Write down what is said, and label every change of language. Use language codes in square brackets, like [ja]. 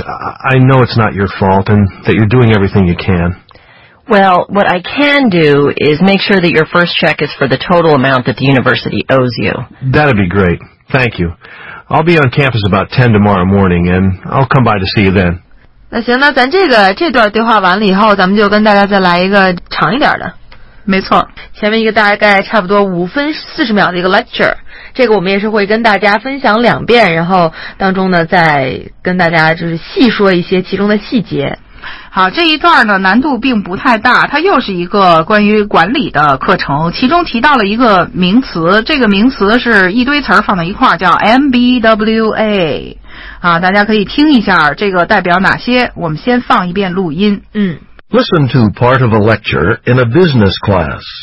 [en] I know it's not your fault and that you're doing everything you can. Well, what I can do is make sure that your first check is for the total amount that the university owes you. That'd be great. Thank you. I'll be on campus about 10 tomorrow morning, and I'll come by to see you then. [zh] 那行，那咱这段对话完了以后，咱们就跟大家再来一个长一点的。没错，前面一个大概差不多5分40秒的一个 lecture， 这个我们也是会跟大家分享两遍，然后当中呢再跟大家就是细说一些其中的细节。好，这一段呢难度并不太大，它又是一个关于管理的课程，其中提到了一个名词，这个名词是一堆词放在一块叫 MBWA。啊，大家可以听一下这个代表哪些，我们先放一遍录音。嗯。 [en] Listen to part of a lecture in a business class.